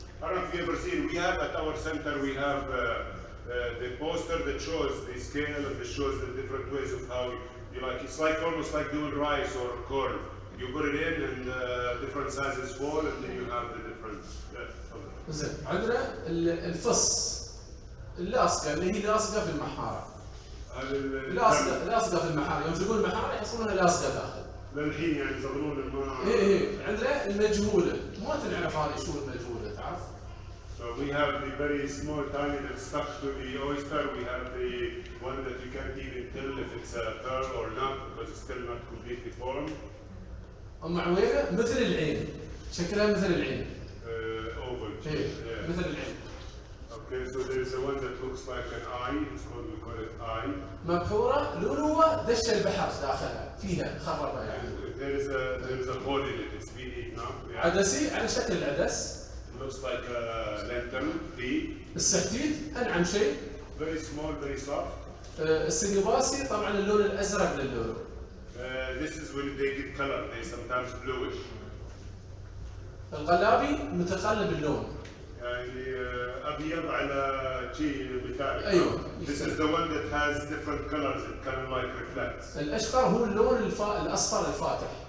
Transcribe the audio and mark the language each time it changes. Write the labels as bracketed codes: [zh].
[en] I don't know if you ever seen, we have at our center we have the poster that shows the scale and that shows the different ways of how you like, it's like almost like doing rice or corn. You put it in and different sizes fall and then you have the different. [ar] زين عندنا الفص اللاصقة اللي هي لاصقة في المحارة. لاصقة في المحارة يوم تقول محارة يحصلونها لاصقة داخل. للحين يعني يظلون الماء. إيه إيه عندنا المجهولة ما تنعرف هذه شو المجهولة تعرف. [en] So we have the very small tiny that stuck to the oyster. We have the one that you can't even tell if it's a pearl or not because it's still not completely formed. [ar] أم عويرة مثل العين شكلها مثل العين. [en] Oval. [ar] إيه مثل العين. [en] Okay, so there's a one that looks like an eye. It's called we call it eye. [ar] مبحورة لولوة دش البحر داخلها فيها خربة يعني. [en] There is a hole in it. It's been eaten up. Yeah. [ar] عدسي على شكل العدس. [en] Looks like a lantern, V. [ar] السحديد أنعم شيء. [en] Very small, very soft. [ar] السنباسي طبعاً اللون الأزرق للون. [en] This is when they get color, they sometimes bluish. [ar] الغلابي متقلب اللون. يعني أبيض على شيء متعلق. أيوه. [en] This is the one that has different colors, it kind of like reflects. [ar] الأشقر هو اللون الأصفر الفاتح.